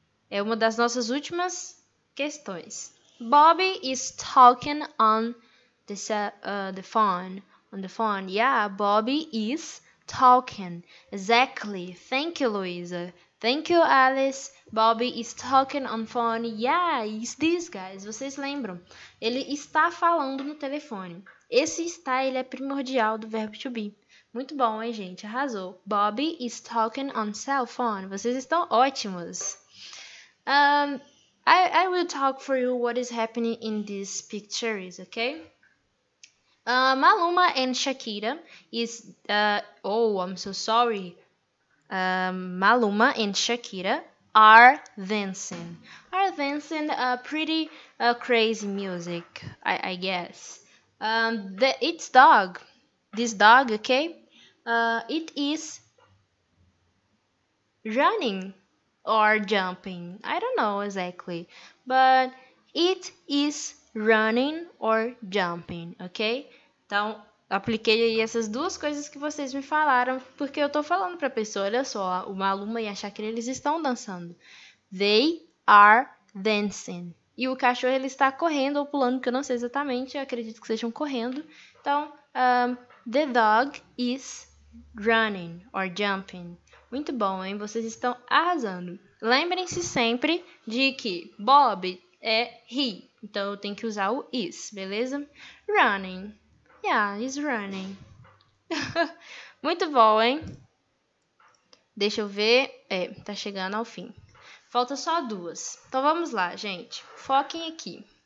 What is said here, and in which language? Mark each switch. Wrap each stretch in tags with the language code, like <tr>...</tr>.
<pt>É uma das nossas últimas questões.</pt> <en>Bobby is talking on the phone. On the phone. Yeah, Bobby is talking. Exactly. Thank you, Luisa. Thank you, Alice. Bobby is talking on phone. Yeah, is this, guys? Vocês lembram?</en> <pt>Ele está falando no telefone. Esse está, ele é primordial do verbo to be. Muito bom, hein, gente? Arrasou.</pt> <en>Bobby is talking on cell phone. Vocês estão ótimos. I will talk for you what is happening in these pictures, okay? Maluma and Shakira is oh, I'm so sorry. Maluma and Shakira are dancing. Are dancing a pretty crazy music, I guess. It's dog. This dog, okay? It is running. Or jumping. I don't know exactly. But it is running or jumping, ok?</en> <pt>Então, apliquei aí essas duas coisas que vocês me falaram, porque eu tô falando pra pessoa, olha só, o Maluma e a Shakira, eles estão dançando. They are dancing. E o cachorro, ele está correndo ou pulando, que eu não sei exatamente, eu acredito que sejam correndo.</pt> <en>Então, the dog is running or jumping.</en> <pt>Muito bom, hein? Vocês estão arrasando. Lembrem-se sempre de que Bob é he. Então eu tenho que usar o is, beleza? Running. Yeah, he's running. Muito bom, hein? Deixa eu ver. É, tá chegando ao fim. Falta só duas. Então vamos lá, gente. Foquem aqui.</pt>